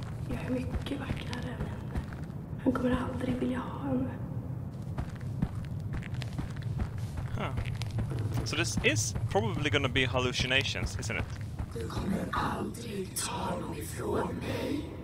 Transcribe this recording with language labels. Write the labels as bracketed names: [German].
[Swedish] Jag är mycket vackrare, men han kommer aldrig vilja ha honom. [English] So this is probably gonna be hallucinations, isn't it? [Swedish] Du kommer aldrig ta dem ifrån mig.